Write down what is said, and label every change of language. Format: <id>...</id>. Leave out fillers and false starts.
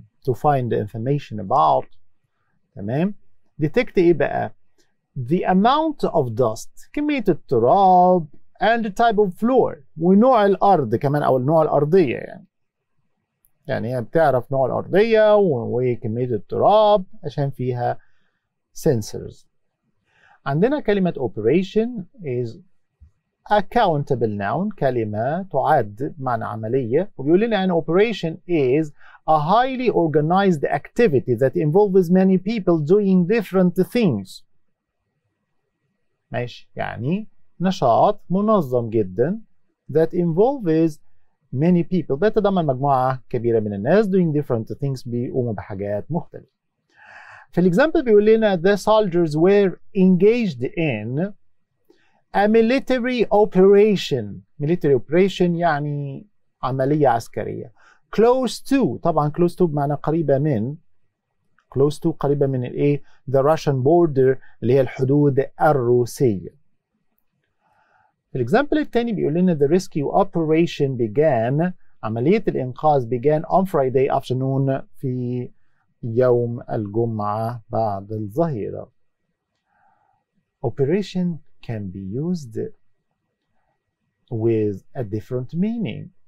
<en>to find information about، تمام؟ detect إيه بقى؟ the amount of dust،</en> <ar>كمية التراب</ar> <en>and the type of floor،</en> <ar>ونوع الأرض كمان أو النوع الأرضية يعني. يعني هي بتعرف نوع الأرضية وكمية التراب عشان فيها sensors. عندنا كلمة</ar> <en>operation is accountable noun،</en> <ar>كلمة تعد معنى عملية. وبيقول لنا</ar> <en>an operation is a highly organized activity that involves many people doing different things.</en> <ar>ماشي، يعني نشاط منظم جدا</ar> <en>that involves many people،</en> <ar>بتتضمن مجموعة كبيرة من الناس</ar> <en>doing different things،</en> <ar>بيقوموا بحاجات مختلفة. في الإكزامبل بيقول لنا</ar> <en>the soldiers were engaged in a military operation. military operation</en> <ar>يعني عملية عسكرية. close to، طبعا close to بمعنى قريبة من، close to قريبة من الايه؟</ar> <en>the Russian border،</en> <ar>اللي هي الحدود الروسية. في الإكزامبل التاني بيقول لنا</ar> <en>the rescue operation began،</en> <ar>عملية الإنقاذ</ar> <en>began on Friday afternoon،</en> <ar>في يوم الجمعة بعد الظهيرة.</ar> <en>operation can be used with a different meaning.</en>